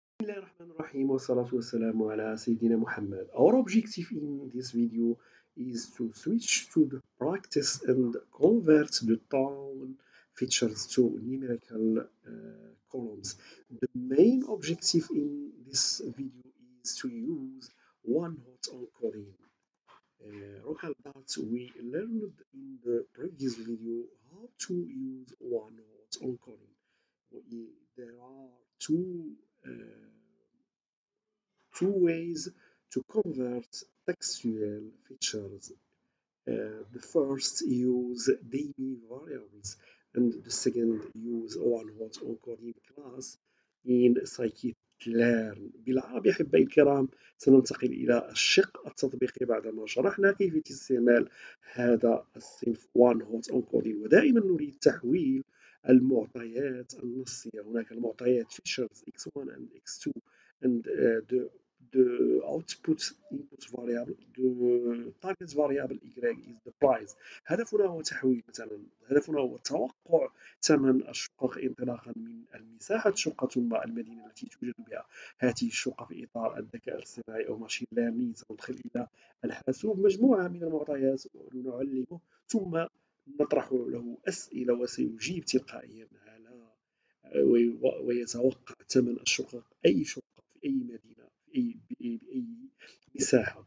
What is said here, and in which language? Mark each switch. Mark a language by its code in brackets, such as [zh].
[ar] بسم الله الرحمن الرحيم والصلاة والسلام على سيدنا محمد. [en] Our objective in this video is to switch to the practice and convert the town features to numerical columns. The main objective in this video is to use one hot encoding. Recall that we learned in the previous video how to use one hot encoding. There are two ways to convert textual features. The first use DME variables, and the second use one hot encoding class in scikit-learn. [ar] بالعربي أحبائي الكرام، سننتقل إلى الشق التطبيقي بعدما شرحنا كيف استعمال هذا الصنف one hot encoding. ودائما نريد تحويل المعطيات النصية. هناك المعطيات [en] features x1 and x2 and the output input variable, the target variable y is the price. [ar] هدفنا هو تحويل مثلا، هدفنا هو توقع ثمن الشقق انطلاقا من المساحة الشقة ثم المدينة التي توجد بها هذه الشقة في إطار الذكاء الاصطناعي أو ماشين ليرنينج. سندخل إلى الحاسوب مجموعة من المعطيات ونعلمه ثم نطرح له أسئلة وسيجيب تلقائيا على ويتوقع ثمن الشقق، أي شقة في أي مدينة بأي مساحة.